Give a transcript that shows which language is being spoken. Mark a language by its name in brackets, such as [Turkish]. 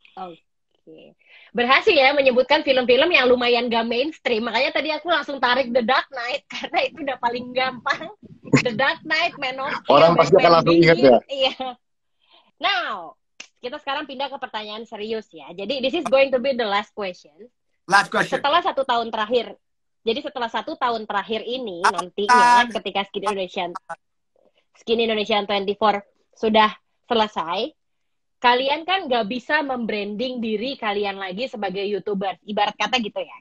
[Indonesian] Oke. Berhasil ya menyebutkan film-film yang lumayan gak mainstream. Makanya tadi aku langsung tarik The Dark Knight karena itu udah paling gampang. The Dark Knight, Man of Steel. Orang pasti akan langsung ingat ya. Iya. Now, kita sekarang pindah ke pertanyaan serius ya. [English] Jadi this is going to be the last question. Last question. [Indonesian] Setelah satu tahun terakhir. Jadi setelah satu tahun terakhir ini nantinya ketika Skin Indonesia 24 sudah selesai, kalian kan nggak bisa membranding diri kalian lagi sebagai YouTuber. Ibarat kata gitu ya.